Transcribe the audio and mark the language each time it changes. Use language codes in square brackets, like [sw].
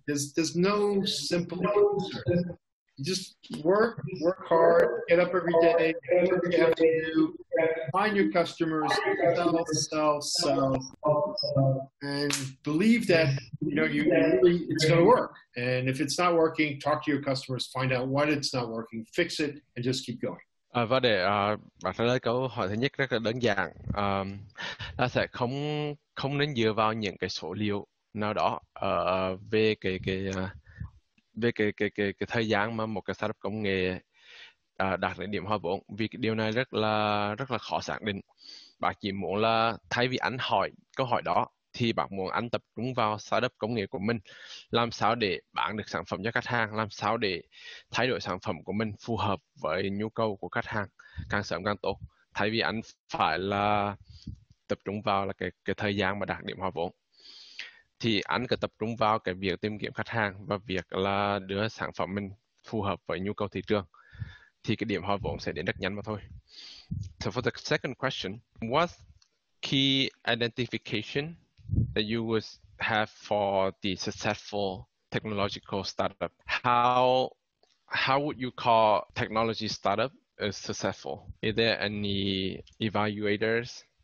[en] There's no simple answer. Just work hard, get up every day, do what you have to do, find your customers, sell, and believe that, you know, it's going to work. And if it's not working, talk to your customers, find out why it's not working, fix it, and just keep going. [vi] Và để trả lời câu hỏi thứ nhất rất là đơn giản, là sẽ không không nên dựa vào những cái số liệu nào đó về cái thời gian mà một cái startup công nghệ đạt đến điểm hòa vốn, vì điều này rất là khó xác định. Bạn chỉ muốn là thay vì anh hỏi câu hỏi đó thì bạn muốn anh tập trung vào startup công nghệ của mình, làm sao để bán được sản phẩm cho khách hàng, làm sao để thay đổi sản phẩm của mình phù hợp với nhu cầu của khách hàng càng sớm càng tốt, thay vì anh phải là tập trung vào là cái thời gian mà đạt điểm hòa vốn, thì anh cứ tập trung vào cái việc tìm kiếm khách hàng và việc là đưa sản phẩm mình phù hợp với nhu cầu thị trường, thì cái điểm hòa vốn sẽ đến rất nhanh mà thôi. [en] So for the second question, what key identification that you would have for the successful technological startup? How would you call technology startup as successful? Is there any evaluators?